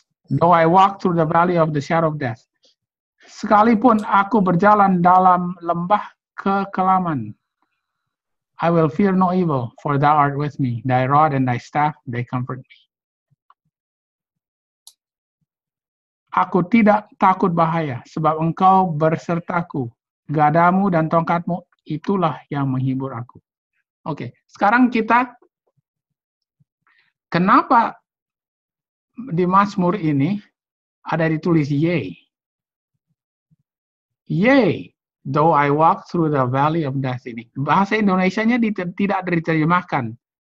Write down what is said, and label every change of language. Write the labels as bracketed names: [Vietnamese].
[English] Though I walk through the valley of the shadow of death. [Indonesian] Sekalipun aku berjalan dalam lembah kekelaman. [English] I will fear no evil, for thou art with me. Thy rod and thy staff, they comfort me. [Indonesian] Aku tidak takut bahaya, sebab engkau bersertaku. Gadamu dan tongkatmu, itulah yang menghibur aku. Oke, okay. Sekarang kita, kenapa di Mazmur ini ada ditulis yay? [English] Yay, though I walk through the valley of death [Indonesian] ini. Bahasa Indonesianya tidak diterjemahkan.